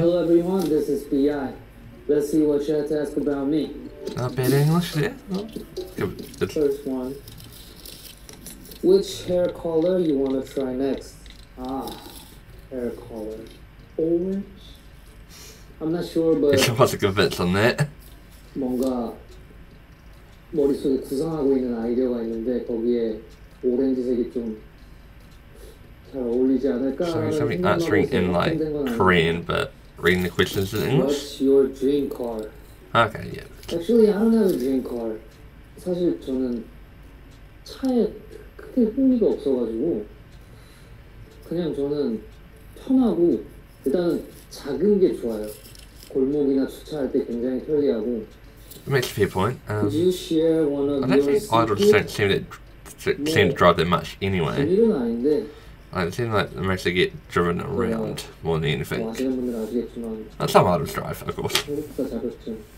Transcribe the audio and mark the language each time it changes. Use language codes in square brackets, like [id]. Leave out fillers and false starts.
[en] Hello everyone, this is BI. Let's see what you have to ask about me. Not bad English there. Yeah. Oh. First one. Which hair color you want to try next? Hair color. Orange? I'm not sure, but... I wasn't convinced on that. [ko] 뭔가 머릿속에 구상하고 있는 아이디어가 있는데 거기에 오렌지색이 좀 잘 어울리지 않을까? [en] Sorry, something answering in like Korean, but... reading the questions in English. What's your dream car? Okay, yeah. Actually, I don't have a dream car. [ko] 사실 저는 차에 크게 흥미가 없어가지고 그냥 저는 편하고 일단 작은 게 좋아요. 골목이나 주차할 때 굉장히 편리하고. [en] That makes a fair point. Could you share one of your secrets? I don't think idols seem to drive that much anyway. [ko] 비밀은 아닌데. [en] I seem like they mostly get driven around more than anything. Well, some idols drive, of course.